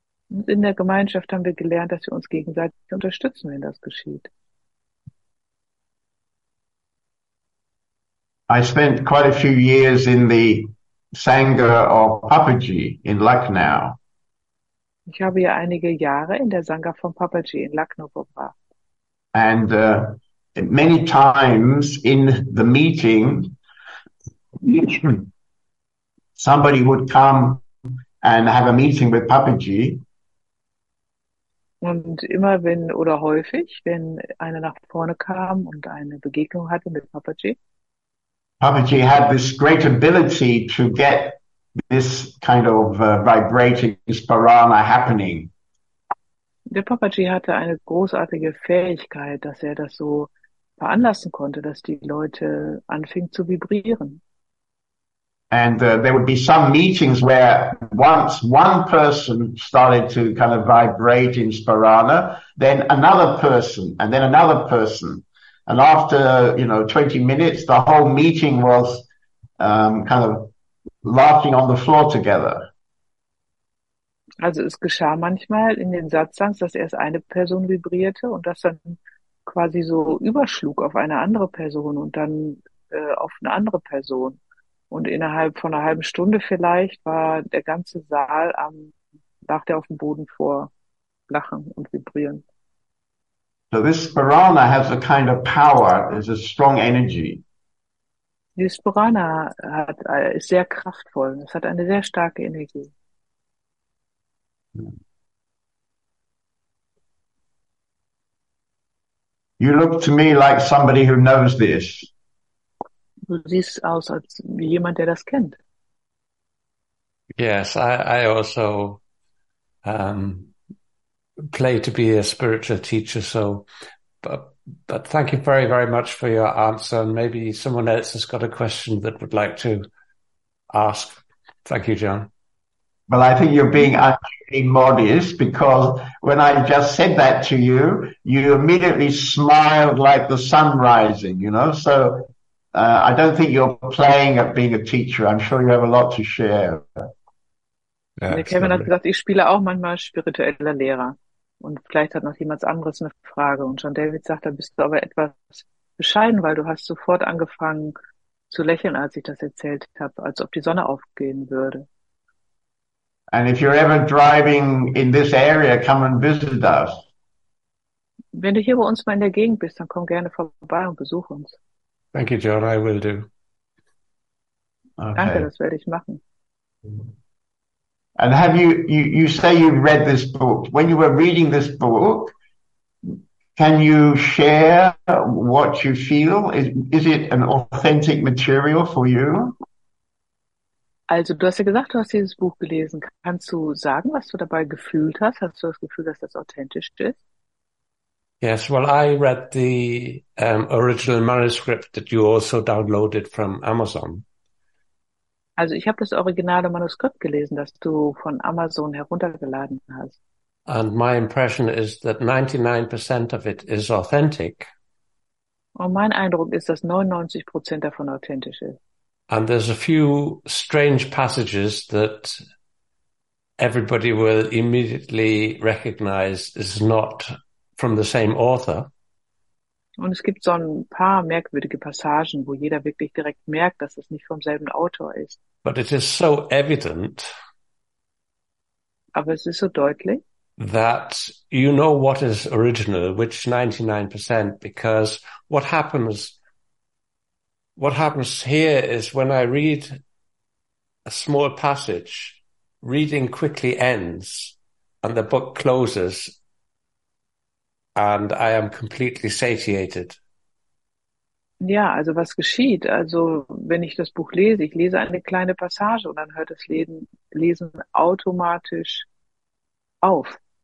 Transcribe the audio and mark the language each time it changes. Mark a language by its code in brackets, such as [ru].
[de] In der Gemeinschaft haben wir gelernt, dass wir uns gegenseitig unterstützen, wenn das geschieht. [en] I spent quite a few years in the Sangha of Papaji in Lucknow. [de] Ich habe ja einige Jahre in der Sangha von Papaji in Lucknow verbracht. [en] And many times in the meeting, somebody would come and have a meeting with Papaji. [de] Und immer wenn oder häufig, wenn einer nach vorne kam und eine Begegnung hatte mit Papaji. [en] Papaji had this great ability to get this kind of vibrating sparana happening. [de] Der Papaji hatte eine großartige Fähigkeit, dass er das so veranlassen konnte, dass die Leute anfingen zu vibrieren. [en] And there would be some meetings where once one person started to kind of vibrate in Sparana, then another person, and then another person. And after, you know, 20 minutes, the whole meeting was kind of laughing on the floor together. [de] Also es geschah manchmal in den Satsangs, dass erst eine Person vibrierte und das dann quasi so überschlug auf eine andere Person und dann auf eine andere Person. Und innerhalb von einer halben Stunde vielleicht war der ganze Saal am, lag der auf dem Boden vor Lachen und Vibrieren. [en] So this Purana has a kind of power, is a strong energy. [de] Dieses Purana hat, ist sehr kraftvoll. Es hat eine sehr starke Energie. [en] You look to me like somebody who knows this. [de] Du siehst aus als jemand, der das kennt. [en] Yes, I also play to be a spiritual teacher, so but thank you very, very much for your answer, and maybe someone else has got a question that would like to ask. Thank you, John. Well, I think you're being unduly modest, because when I just said that to you, you immediately smiled like the sun rising, you know? So I don't think you're playing at being a teacher. I'm sure you have a lot to share. [de] Yeah, Kevin hat gesagt, ich spiele auch manchmal spiritueller Lehrer. Und vielleicht hat noch jemand anderes eine Frage. Und John David sagt, da bist du aber etwas bescheiden, weil du hast sofort angefangen zu lächeln, als ich das erzählt habe, als ob die Sonne aufgehen würde. [en] And if you're ever driving in this area, come and visit us. [de] Wenn du hier bei uns mal in der Gegend bist, dann komm gerne vorbei und besuch uns. [en] Thank you, John. I will do. [de] Okay. Danke, das werde ich machen. [en] And have you say you've read this book. When you were reading this book, can you share what you feel? Is it an authentic material for you? [de] Also du hast ja gesagt, du hast dieses Buch gelesen. Kannst du sagen, was du dabei gefühlt hast? Hast du das Gefühl, dass das authentisch ist? [en] Yes, well, I read the original manuscript that you also downloaded from Amazon. [de] Also ich habe das originale Manuskript gelesen, das du von Amazon heruntergeladen hast. [en] And my impression is that 99% of it is authentic. [de] Und mein Eindruck ist, dass 99% davon authentisch ist. [en] And there's a few strange passages that everybody will immediately recognize is not from the same author. [de] Und es gibt so ein paar merkwürdige Passagen, wo jeder wirklich direkt merkt, dass es nicht vom selben Autor ist. [en] But it is so evident. [de] Aber es ist so deutlich. [en] That you know what is original, which 99%, because what happens here is when I read a small passage, reading quickly ends and the book closes and I am completely satiated. [de] Ja, also was geschieht? Also wenn ich das Buch lese, ich lese eine kleine Passage und dann hört das Lesen automatisch auf.